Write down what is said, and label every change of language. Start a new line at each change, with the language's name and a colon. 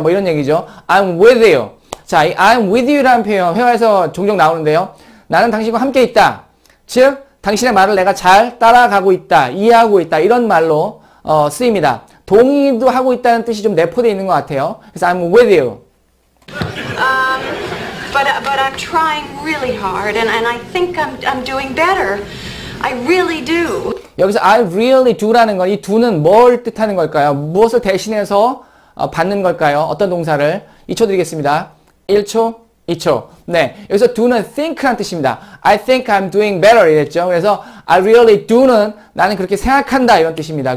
Korean: 뭐 이런 얘기죠.
English: I'm with you.
Korean: 자, I'm with you라는 표현 회화에서 종종 나오는데요. 나는 당신과 함께 있다. 즉, 당신의 말을 내가 잘 따라가고 있다. 이해하고 있다. 이런 말로 쓰입니다. 동의도 하고 있다는 뜻이 좀 내포되어 있는 것 같아요.
English: 그래서 I'm with you. But I'm trying really hard and I think I'm doing better. I really do.
Korean: 여기서
English: I really do
Korean: 라는 건 이 do는 뭘 뜻하는 걸까요? 무엇을 대신해서 받는 걸까요? 어떤 동사를? 2초 드리겠습니다. 1초, 2초. 네, 여기서 do는 think란 뜻입니다.
English: I think I'm doing better
Korean: 이랬죠. 그래서
English: I really do
Korean: 는 나는 그렇게 생각한다 이런 뜻입니다.